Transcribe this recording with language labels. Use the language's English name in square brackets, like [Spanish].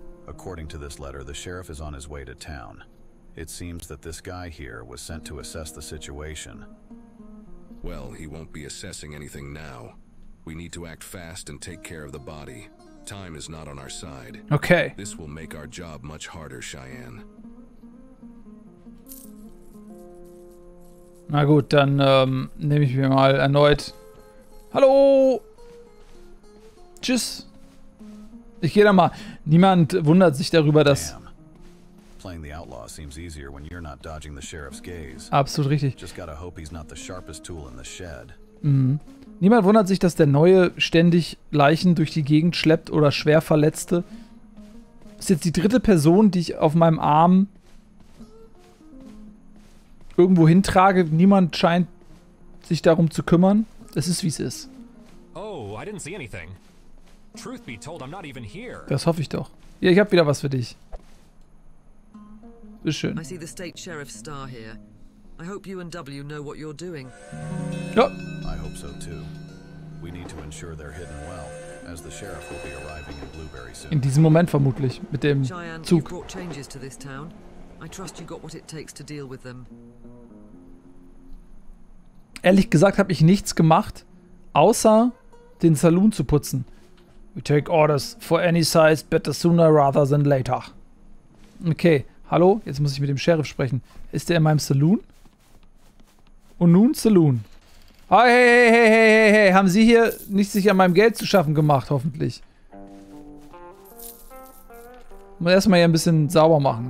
[English] According to this letter, the sheriff is on his way to town. It seems that this guy here was sent to assess the situation. Well, he won't be assessing anything now. We need to act fast and take care of the body. Time is not on our side. Okay. This will make our job much harder, Cheyenne. [German] Na gut, dann nehme ich mir mal erneut. Hallo! Tschüss! Ich gehe da mal. Niemand wundert sich darüber, dass. [English] Damn. Playing the outlaw seems easier when you're not dodging the sheriff's gaze. [German] Absolut richtig. [English] Just gotta hope he's not the sharpest tool in the shed. Mhm. [German] Niemand wundert sich, dass der Neue ständig Leichen durch die Gegend schleppt oder schwer Verletzte. Ist jetzt die dritte Person, die ich auf meinem Arm irgendwo hintrage. Niemand scheint sich darum zu kümmern. Es ist, wie es ist. [English] Oh, I didn't see anything. Truth be told, I'm not even here. [German] Das hoffe ich doch. Ja, ich habe wieder was für dich. Ist schön. [English] I see the state sheriff's star here. I hope you and W know what you're doing. [German] Ja. [English] I hope so too. We need to ensure they're hidden well, as the sheriff will be arriving in Blueberry soon. [German] In diesem Moment vermutlich mit dem [English] Cheyenne, [German] Zug. [English] You brought changes to this town. I trust you got what it takes to deal with them. [German] Ehrlich gesagt habe ich nichts gemacht, außer den Saloon zu putzen. [English] We take orders for any size, better sooner rather than later. Okay. [German] Hallo, jetzt muss ich mit dem Sheriff sprechen. Ist der in meinem Saloon? Und nun Saloon. Hey. Haben Sie hier nicht sich an meinem Geld zu schaffen gemacht, hoffentlich? Ich muss erstmal hier ein bisschen sauber machen.